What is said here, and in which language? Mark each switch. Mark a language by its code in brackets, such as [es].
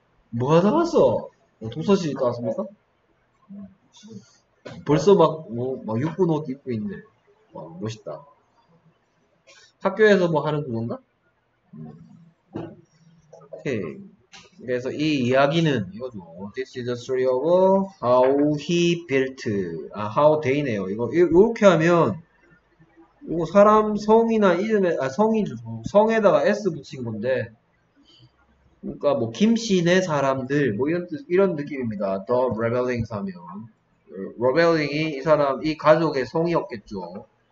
[ko] 뭐 하다 왔어? 도서실 나왔습니까? 벌써 막, 뭐, 막 육군 옷 입고 있네. 와, 멋있다. 학교에서 뭐 하는 건가? 오케이. 그래서 이 이야기는 이거죠. [en] This is the story of how he built. [ko] 아, [en] how they [ko] 네요. 이거, 이렇게 하면, 이거 사람 성이나 이름에, 아, 성이죠. 성에다가 S 붙인 건데, 그러니까 뭐, 김씨네 사람들, 뭐, 이런, 이런 느낌입니다. The rebellings 하면. Rebelling이 이 사람, 이 가족의 성이었겠죠.